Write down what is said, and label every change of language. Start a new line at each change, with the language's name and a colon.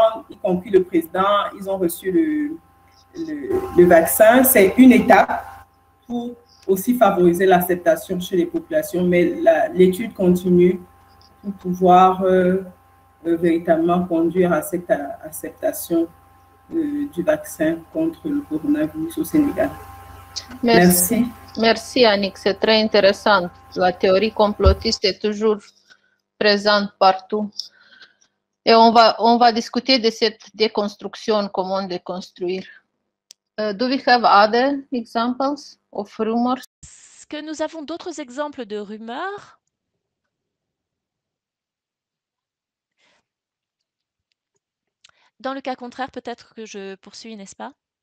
French: y compris le président, ils ont reçu le vaccin, c'est une étape pour aussi favoriser l'acceptation chez les populations, mais l'étude continue pour pouvoir véritablement conduire à cette acceptation du vaccin contre le coronavirus au Sénégal. Merci. Merci. Merci, Annick. C'est très intéressant. La théorie complotiste est toujours présente partout. Et on va discuter de cette déconstruction, comment déconstruire.
English: Do we have other examples of rumors?
French: Que nous avons d'autres exemples de rumeurs. Dans le cas contraire, peut-être que je poursuis, n'est-ce pas?